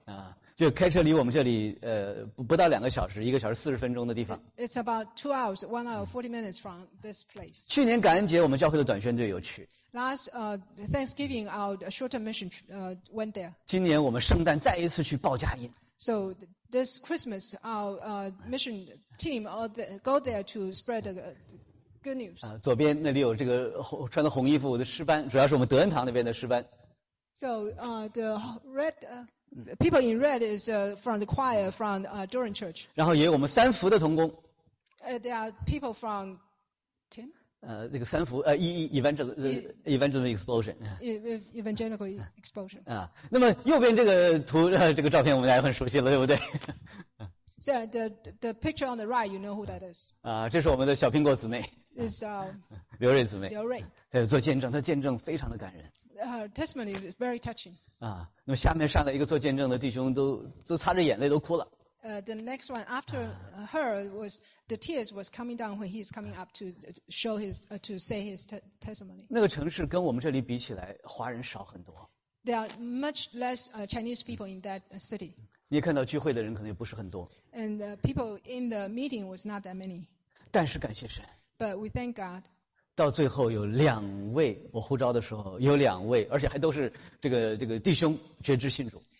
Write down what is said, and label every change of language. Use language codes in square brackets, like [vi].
[zh] 啊，就开车离我们这里不到两个小时，一个小时四十分钟的地方。 [en] It's about two hours, one hour, 40 minutes from this place. [zh] 去年感恩节我们教会的短宣队有去。 [en] Last Thanksgiving, our short mission went there. [zh] 今年我们圣诞再一次去报佳音。 [en] So this Christmas, our mission team go there to spread the good news. [zh] 左边那里有这个穿的红衣服的诗班，主要是我们德恩堂那边的诗班。 [en] So the red people in red is from the choir from Durham Church. [zh] 然后也有我们三福的同工。 [en] There are people from Tim. [zh] 这个三福evangelical explosion. [en] Evangelical explosion. [zh] 那么右边这个图这个照片我们大家很熟悉了，对不对？ [en] So the picture on the right, you know who that is. [zh] 这是我们的小苹果姊妹。 [en] Is [zh] 刘瑞姊妹。刘瑞。她做见证，她见证非常的感人。 [en] Her testimony is very touching. [zh] 那么下面上来一个做见证的弟兄都擦着眼泪都哭了。 [en] The next one after her was the tears was coming down when he's coming up to show his to say his testimony. [zh] 那个城市跟我们这里比起来，华人少很多。 [en] There are much less Chinese people in that city. [zh] 你看到聚会的人可能也不是很多。 [en] And the people in the meeting was not that many. [zh] 但是感谢神。 [en] But we thank God. [zh] 到最后有两位，我呼召的时候有两位，而且还都是这个弟兄觉知信主。